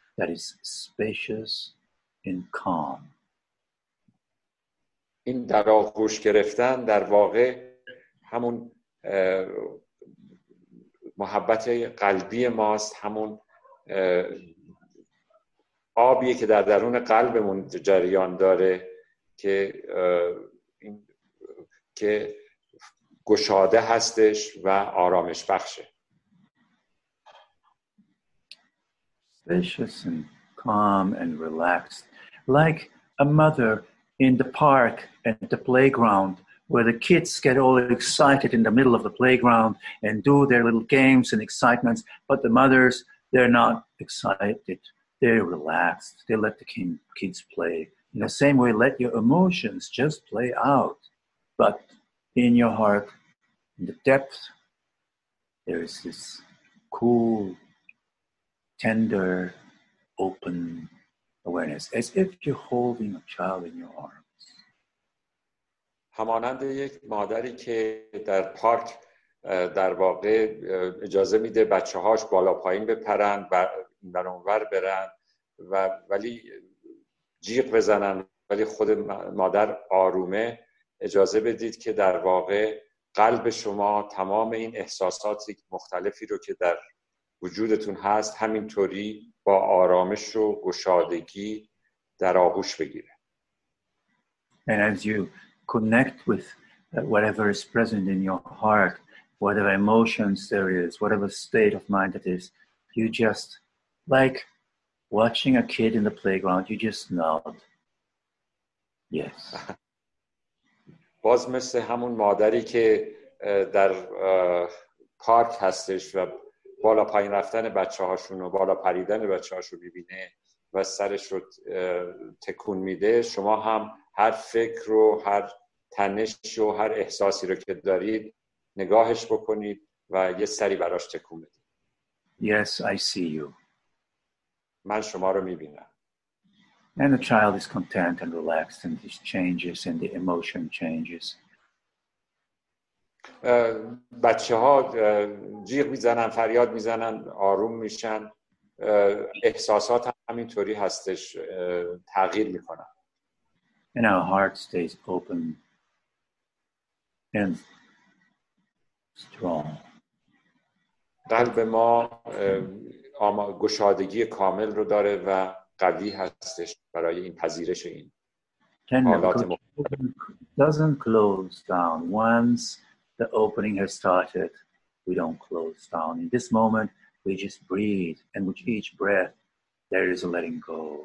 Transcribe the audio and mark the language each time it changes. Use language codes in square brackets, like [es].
[en] That is spacious and calm. [fa] این در آغوش گرفتن در واقع همون محبت قلبی ماست، همون آبیه که در درون قلبمون جریان داره که این که گشاده هستش و آرامش بخشه. [en] Spacious and calm and relaxed, like a mother in the park at the playground, where the kids get all excited in the middle of the playground and do their little games and excitements, but the mothers, they're not excited, they're relaxed, they let the kids play. In the same way, let your emotions just play out, but in your heart, in the depth, there is this cool, tender, open awareness, as if you're holding a child in your arms. [fa] همانند یک مادری که در پارک در واقع اجازه میده بچه هاش بالا پایین بپرن و در اونور برن و ولی جیغ بزنن، ولی خود مادر آرومه، اجازه بدید که در واقع قلب شما تمام این احساسات مختلفی رو که در وجودتون هست همینطوری با آرامش و گشادگی در آغوش بگیره. [en] And as you connect with whatever is present in your heart, whatever emotions there is, whatever state of mind it is, you just like watching a kid in the playground, you just nod. Yes. [fa] باز مثل همون مادری که در پارک هستش و بالا پایین رفتن بچه هاشون و بالا پریدن بچه هاشون ببینه و سرش رو تکون میده، شما هم هر فکر رو، هر تنش رو، هر احساسی رو که دارید نگاهش بکنید و یه سری براش تکون بدید. [en] Yes, I see you. [fa] من شما رو میبینم. [en] And the child is content and relaxed and this changes and the emotion changes. [fa] بچه ها جیغ میزنن، فریاد میزنن، آروم میشن، احساسات همینطوری هستش، تغییر میکنن. [en] And our heart stays open and strong. [fa] قلب ما گشادگی کامل رو داره و قوی هستش برای این پذیرش این حالات مختلف. [en] Doesn't close down once the opening has started, we don't close down. In this moment, we just breathe, and with each breath, there is a letting go.